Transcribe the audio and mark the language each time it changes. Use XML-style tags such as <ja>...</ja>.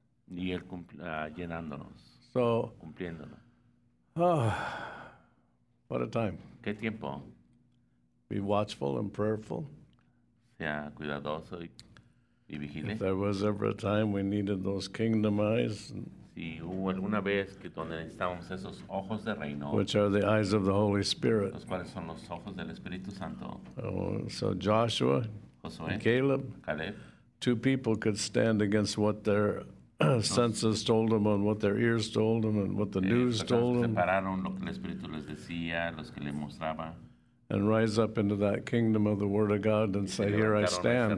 <es>Y él llenándonos.</es> <en>So,</en> <es>cumpliéndonos.</es> <en>Oh, what a time.</en> <es>¿Qué tiempo?</es> <en>Be watchful and prayerful.</en> <es>Sea cuidadoso y y vigile.</es> <en>If there was ever a time we needed those kingdom eyes,</en> <es>si hubo alguna vez que donde necesitábamos esos ojos de reino,</es> <en>which are the eyes of the Holy Spirit,</en> <es>los cuales son los ojos del Espíritu Santo.</es> <en>Oh, so Joshua,</en> <es>Josué,</es> <en>and Caleb,</en> <es>Caleb,</es> <en>two people could stand against what their senses told them and what their ears told them and what the news told them,</en> <es>separaron lo que el Espíritu les decía, los que les mostraba,</es> <en>and rise up into that kingdom of the Word of God and say, here I stand.</en>